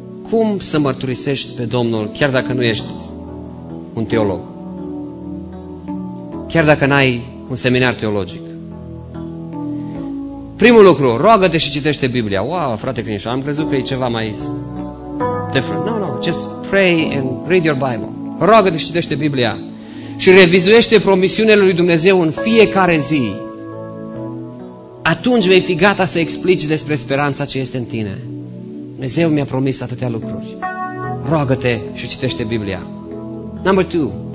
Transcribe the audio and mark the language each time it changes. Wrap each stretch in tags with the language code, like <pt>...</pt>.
<ro>Cum să mărturisești pe Domnul, chiar dacă nu ești un teolog? Chiar dacă n-ai un seminar teologic. Primul lucru, roagă-te și citește Biblia. Wow, frate Crinș, am crezut că e ceva mai</ro> <en>different. No, no, just pray and read your Bible.</en> <ro>Roagă-te și citește Biblia. Și revizuiește promisiunile lui Dumnezeu în fiecare zi. Atunci vei fi gata să explici despre speranța ce este în tine. Dumnezeu mi-a promis atâtea lucruri. Roagă-te și citește Biblia.</ro> <en>Number two.</en>